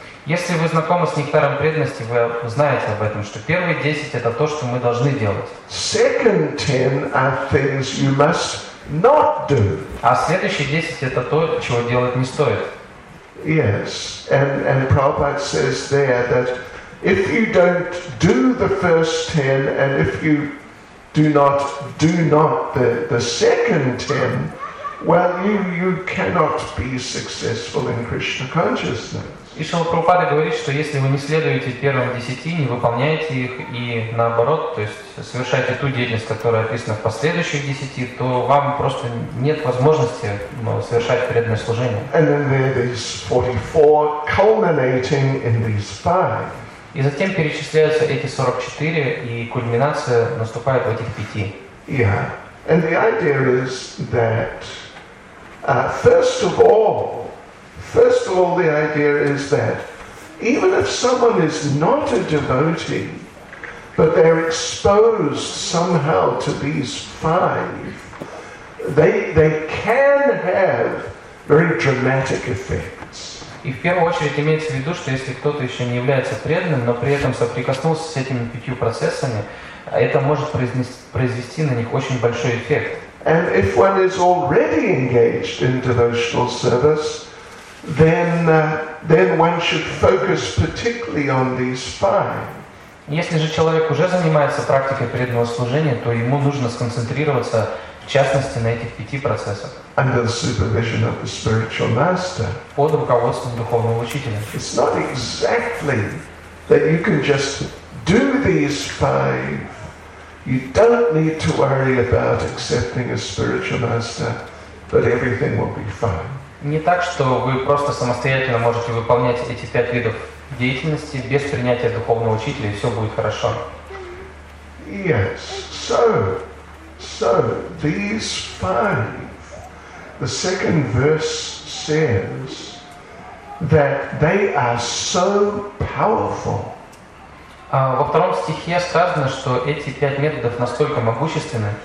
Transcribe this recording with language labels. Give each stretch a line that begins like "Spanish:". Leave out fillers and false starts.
Russian: Если вы знакомы с нектаром преданности, вы знаете об этом, что первые 10 – это то, что мы должны делать.
English: Second 10 are things you must not do.
Russian: А следующие 10 – это то, чего делать не стоит.
English: Yes, and Prabhupada says there that if you don't do the first 10 and if you do not the second 10, well, you cannot be successful in Krishna consciousness.
Russian: И Шрила Прабхупада говорит, что если вы не следуете первым 10, не выполняете их, и наоборот, то есть совершаете ту деятельность, которая описана в последующих 10, то вам просто нет возможности совершать преданное служение.
English: And then there are these 44 culminating in these five.
Russian: И затем перечисляются эти 44, и кульминация наступает в этих 5.
English: Yeah. And the idea is that, First of all, the idea is that even if someone is not a devotee, but they're exposed somehow to these five, they can have very dramatic effects.
Russian: И в первую очередь имеется в виду, что если кто-то еще не является преданным, но при этом соприкоснулся с этими пятью процессами, это может произвести на них очень большой эффект.
English: And if one is already engaged in devotional service, then one should focus particularly on these five.
Russian: Если же человек уже занимается практикой преданного служения, то ему нужно сконцентрироваться в частности на этих пяти процессах.
English: Under the supervision of the spiritual master.
Russian: Под руководством духовного учителя.
English: It's not exactly that you can just do these five. You don't need to worry about accepting a spiritual master, but everything will be fine.
Russian: Не так, что вы просто самостоятельно можете выполнять эти пять видов деятельности без принятия духовного учителя, и все будет хорошо.
English: Yes. So these five. The second verse says that they are so powerful.
Russian: Во втором стихе сказано, что эти пять методов настолько могущественны.